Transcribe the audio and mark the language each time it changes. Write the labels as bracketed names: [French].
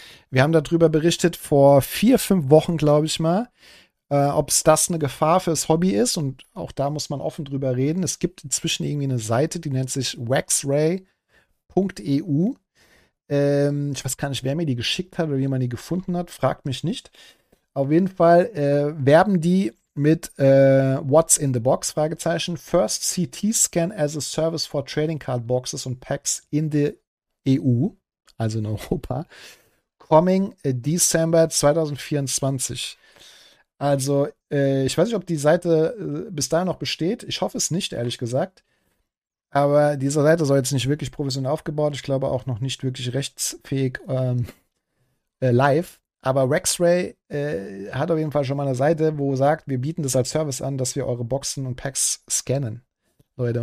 [German] Wir haben darüber berichtet vor 4-5 Wochen, glaube ich mal, ob es das eine Gefahr fürs Hobby ist und auch da muss man offen drüber reden. Es gibt inzwischen irgendwie eine Seite, die nennt sich waxray.eu. Ich weiß gar nicht, wer mir die geschickt hat oder jemand die gefunden hat, fragt mich nicht. Auf jeden Fall werben die mit [English] What's in the Box? [German] Fragezeichen. [English] First CT Scan as a Service for Trading Card Boxes und Packs in the EU, [German] also in Europa. [English] Coming December 2024. [German] Also, ich weiß nicht, ob die Seite bis dahin noch besteht. Ich hoffe es nicht, ehrlich gesagt. Aber diese Seite soll jetzt nicht wirklich professionell aufgebaut. Ich glaube auch noch nicht wirklich rechtsfähig live. Aber Waxray hat auf jeden Fall schon mal eine Seite, wo sagt, wir bieten das als Service an, dass wir eure Boxen und Packs scannen, Leute.